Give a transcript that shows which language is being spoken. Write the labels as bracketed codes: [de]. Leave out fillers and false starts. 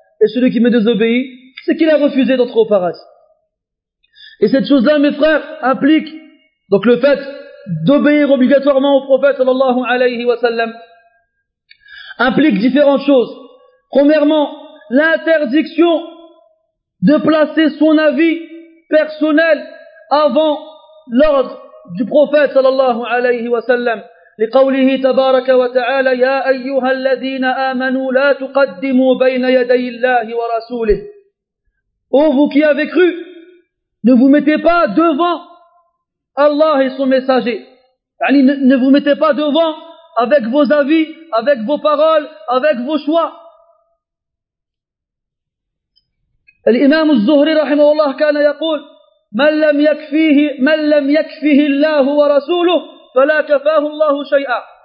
[fr] Et celui qui me désobéit, c'est qu'il a refusé d'entrer au paradis. Et cette chose-là, mes frères, implique donc le fait d'obéir obligatoirement au prophète sallallahu alayhi wa sallam, implique différentes choses. Premièrement, l'interdiction de placer son avis personnel avant l'ordre du prophète sallallahu alayhi wa sallam. [ar] لقوله تبارك وتعالى يا أيها الذين آمنوا لا تقدموا بين يدي الله ورسوله. [fr] Ô vous qui avez cru, ne vous mettez pas devant Allah et son messager. Yani ne vous mettez pas devant avec vos avis, avec vos paroles, avec vos choix. [ar] الإمام الزهري رحمه الله كان يقول من لم يكفيه الله ورسوله فلا كفاه الله شيئا.